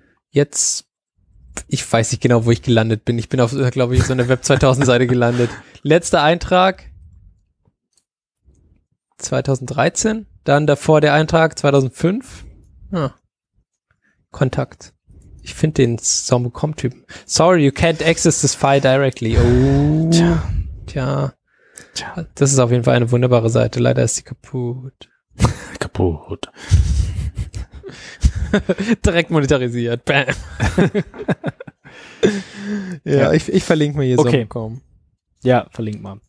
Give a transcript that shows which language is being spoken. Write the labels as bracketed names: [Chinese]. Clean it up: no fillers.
[German] Jetzt, ich weiß nicht genau, wo ich gelandet bin. Ich bin auf, glaube ich, so einer Web 2000 Seite gelandet. Letzter Eintrag. 2013, dann davor der Eintrag 2005. Ah. Kontakt. Ich finde den Zombo.com-Typen. [English] Sorry, you can't access this file directly. Oh. [German] Tja. Das ist auf jeden Fall eine wunderbare Seite. Leider ist sie kaputt. Kaputt. Direkt monetarisiert. Bam. Ja, ich verlinke mir hier okay. Zombo.com. Ja, verlink mal.